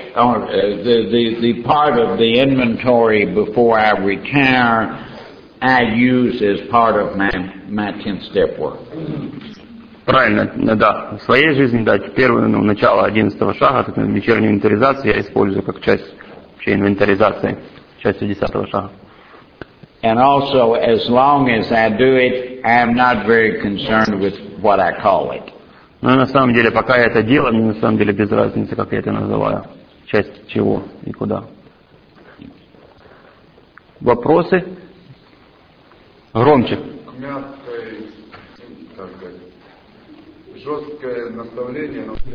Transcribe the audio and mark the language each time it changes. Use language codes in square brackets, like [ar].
[en] The part of the inventory before I retire, I use as part of my 10th step work. [ru] Правильно, да. В своей жизни, да, первое, ну, начало 11-го шага, так, вечернюю инвентаризацию я использую как часть инвентаризации, частью 10-го шага. [en] And also, as long as I do it, I am not very concerned with what I call it. [ru] Но на самом деле, пока я это делаю, мне на самом деле без разницы, как я это называю, часть чего и куда. Вопросы? Громче. Мягкое, так сказать, жесткое наставление, но...